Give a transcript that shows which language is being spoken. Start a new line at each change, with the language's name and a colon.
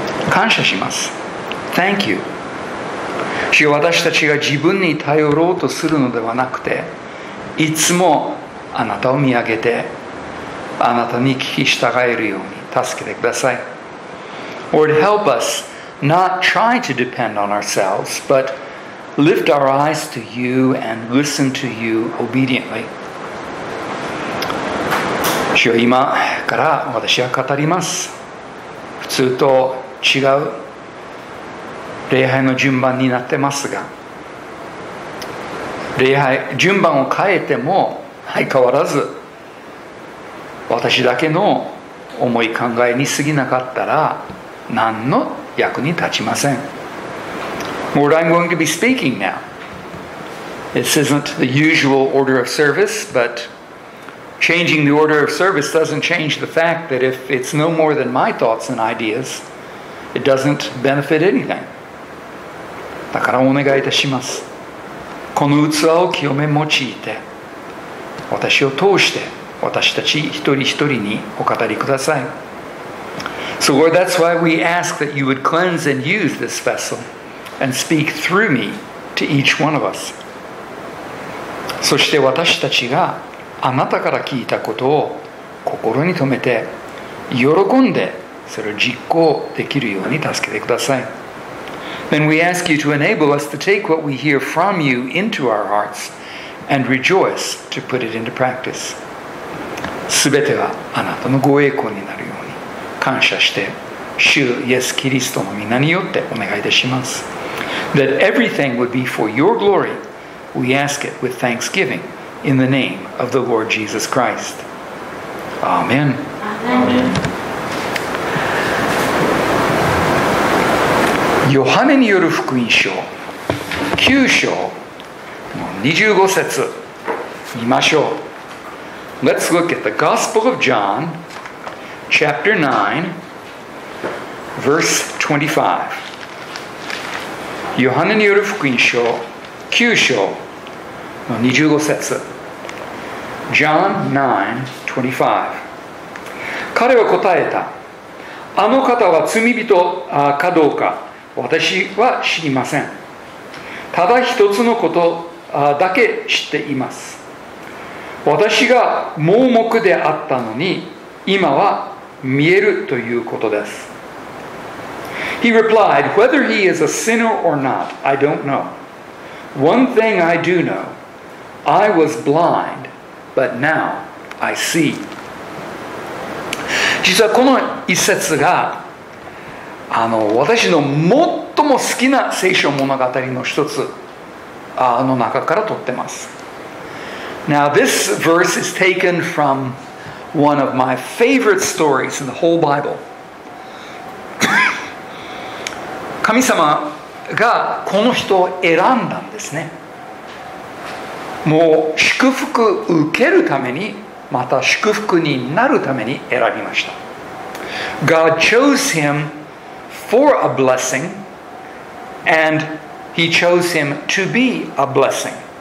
Japanese: 感謝します。
English: Thank you。
Japanese: 主よ、私たちが自分に頼ろうとするのではなくて、いつもあなたを見上げてあなたに聞き従えるように助けてください。
English: Lord, help us not try to depend on ourselves, but lift our eyes to you and listen to you obediently.
Japanese: 主よ、今から私は語ります。普通と違う礼拝の順番になってますが、礼拝順番を変えても相変わらず私だけの思い考えに過ぎなかったら何の役に立ちません。
English: Lord, I'm going to be speaking now. This isn't the usual order of service, but changing the order of service doesn't change the fact that if it's no more than my thoughts and ideas, it doesn't benefit anything.
Japanese: だからお願いいたします。この器を清め用いて、私を通して私たち一人一人にお語りください。
English: So Lord, that's why we ask that you would cleanse and use this vessel and speak through me to each one of us.
Japanese: そして私たちがあなたから聞いたことを心に留めて喜んでそれを実行できるように助けてください。
English: Then we ask you to enable us to take what we hear from you into our hearts and rejoice to put it into practice.
Japanese: すべてはあなたのご栄光になるように感謝して、主イエスキリストの御名によってお願いいたします。
English: That everything would be for your glory, we ask it with thanksgiving in the name of the Lord Jesus Christ. Amen. Amen.
Japanese: ヨハネによる福音書9章25節見ましょう。
English: Let's look at the Gospel of John, chapter 9, verse 25.
Japanese: ヨハネによる福音書9章の25節。
English: John 9, 25.
Japanese: 彼は答えた。あの方は罪人かどうか私は知りません。ただ一つのことだけ知っています。私が盲目であったのに今は見えるということです。
English: He replied, whether he is a sinner or not, I don't know. One thing I do know, I was blind, but now I see.
Japanese: 実はこの一節が私の最も好きな聖書物語の一つの中から取ってます。
English: Now this verse is taken from one of my favorite stories in the whole Bible.
Japanese: 神様がこの人を選んだんですね。もう祝福受けるために、また祝福になるために選びました。
English: God chose him for a blessing and he chose him to be a blessing.